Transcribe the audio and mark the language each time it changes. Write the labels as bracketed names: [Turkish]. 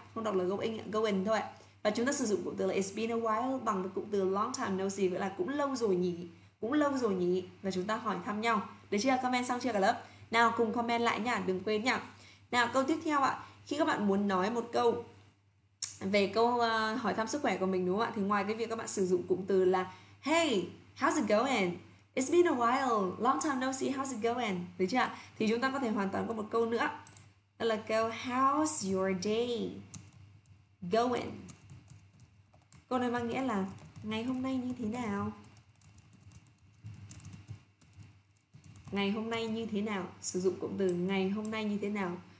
[Vietnamese] Không đọc là going, going thôi. Và chúng ta sử dụng cụm từ là [English] it's been a while [Vietnamese] bằng cụm từ [English] long time no see, [Vietnamese] gọi là cũng lâu rồi nhỉ? Cũng lâu rồi nhỉ? Và chúng ta hỏi thăm nhau. Được chưa? Comment xong chưa cả lớp? Nào cùng comment lại nha. Đừng quên nha. Nào câu tiếp theo ạ. Khi các bạn muốn nói một câu về câu hỏi thăm sức khỏe của mình đúng không ạ? Thì ngoài cái việc các bạn sử dụng cụm từ là [English] hey, how's it going? It's been a while, long time no see, how's it going? [Vietnamese] Được chưa ạ? Thì chúng ta có thể hoàn toàn có một câu nữa. Đó là câu [English] how's your day going? [Vietnamese] Câu này mang nghĩa là ngày hôm nay như thế nào? Ngày hôm nay như thế nào? Sử dụng cụm từ ngày hôm nay như thế nào?